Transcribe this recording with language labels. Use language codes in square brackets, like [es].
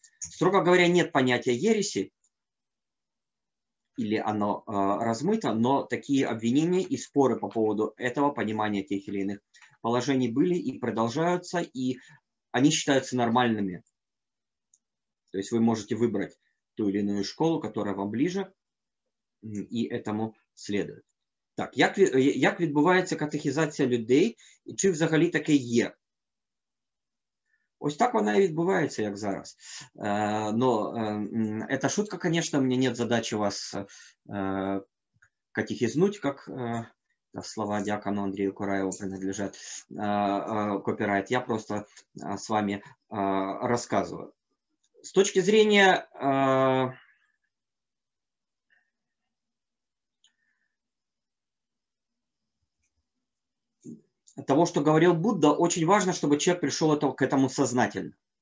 [ru] Строго говоря, нет понятия ереси, или оно размыто, но такие обвинения и споры по поводу этого понимания тех или иных положений были и продолжаются, и они считаются нормальными. То есть вы можете выбрать ту или иную школу, которая вам ближе, и этому следует. [uk] Так, як відбувається катехизация людей, і чи взагалі таке є? Ось так вона і відбувається, як зараз. [ru] Но это шутка, конечно, у меня нет задачи вас катехизнуть, как слова дьякону Андрею Кураеву принадлежат копирайт. Я просто с вами рассказываю. С точки зрения того, что говорил Будда, очень важно, чтобы человек пришел к этому сознательно.